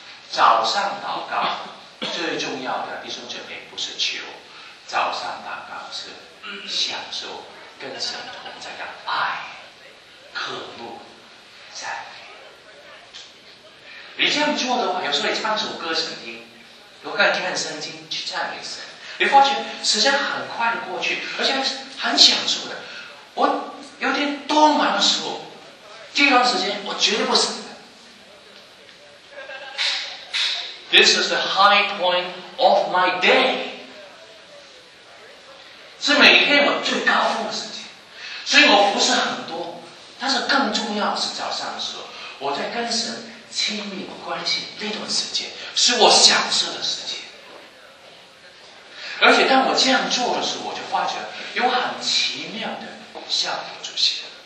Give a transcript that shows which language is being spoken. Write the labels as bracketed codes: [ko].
[zh] 早上祷告最重要的弟兄姐妹不是求，早上祷告是享受跟神同在的爱、渴慕、赞美。你这样做的话，有时候你唱首歌圣经，有个人听圣经去赞美神，你发觉时间很快的过去，而且很享受的。我有点多忙的时候，这段时间我绝对不省。 [en] This is the high point of my day. [zh] 是每天我最高峰的事情，所以我服侍很多，但是更重要的是早上的时候，我在跟神亲密关系那段时间，是我享受的时间。而且当我这样做的时候，我就发觉有很奇妙的效果出现。